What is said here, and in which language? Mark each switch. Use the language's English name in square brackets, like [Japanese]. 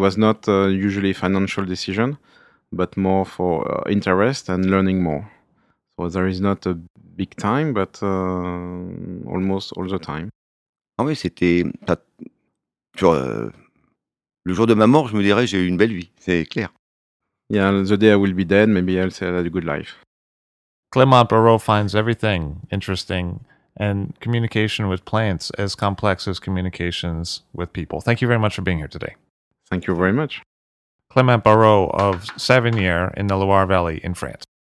[English] It was not usually a financial decision, but more for interest and learning more. So there is not a big time, but almost all the time. [French] Ah oui, c'était le jour de ma mort, je me dirais, j'ai eu une belle vie, c'est clair. [English] Yeah, the day I will be dead, maybe I'll say I had a good life. Clément Barrault finds everything interesting. And communication with plants as complex as communications with people. Thank you very much for being here today. Thank you very much. Clément Barrault of Savinière in the Loire Valley in France.